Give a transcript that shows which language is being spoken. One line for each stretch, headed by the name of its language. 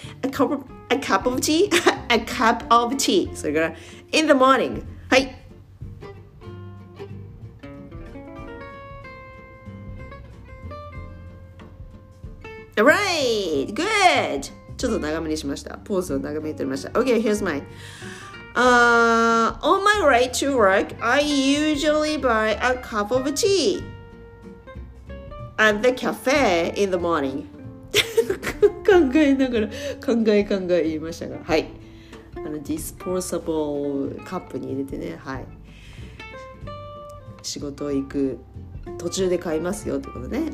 English: A cup of tea? A cup of tea!
Japanese: それから、
English: In the morning! はい、Alright! Good!
Japanese: ちょっと長めにしました。ポーズを長めに取りました。
English: OK! Here's mine! On my way to work, I usually buy a cup of tea at the cafe in the morning.
Japanese: 考えながら、考え言いましたが、はい。
English: Disposable cup
Japanese: に入れてね、はい。仕事行く途中で買いますよってことね。